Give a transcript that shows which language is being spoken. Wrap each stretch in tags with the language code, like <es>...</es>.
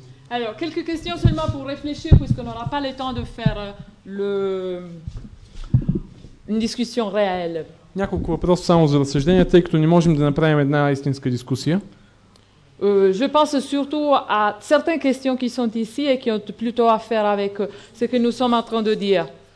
<fr>Alors, quelques questions seulement pour réfléchir, puisqu'on n'aura pas le temps de faire une discussion réelle.</fr> <bg>Няколко въпроса само за разсъжденията, тъй като не можем да направим една истинска дискусия.</bg> <fr>Je pense surtout à certaines questions qui sont ici et qui ont plutôt à faire avec ce que nous sommes en train de dire.</fr>